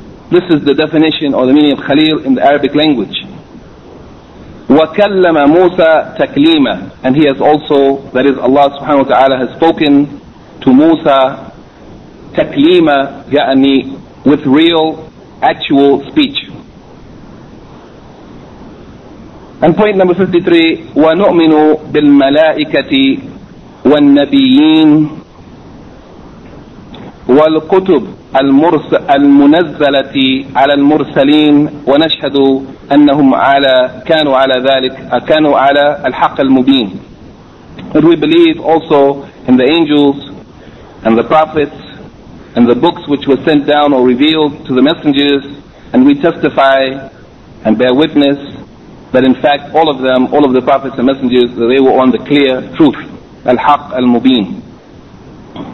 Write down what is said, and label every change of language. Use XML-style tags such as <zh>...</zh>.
<en>This is the definition or the meaning of Khalil in the Arabic language.</en> <ar>وَكَلَّمَ مُوسَى تَكْلِيمًا.</ar> <en>And he has also, that is Allah subhanahu wa ta'ala, has spoken to Musa تَكْلِيمًا, يعني with real, actual speech. And point number 53,</en> <ar>وَنُؤْمِنُ بِالْمَلَائِكَةِ وَالنَّبِيِّينَ وَالْقُتُبِ المنزلة على المرسلين ونشهد أنهم على كانوا على ذلك كانوا على الحق المبين.</ar> <en>And we believe also in the angels and the prophets and the books which were sent down or revealed to the messengers, and we testify and bear witness that in fact all of them, all of the prophets and messengers, that they were on the clear truth,</en> <ar>الحق المبين.</ar>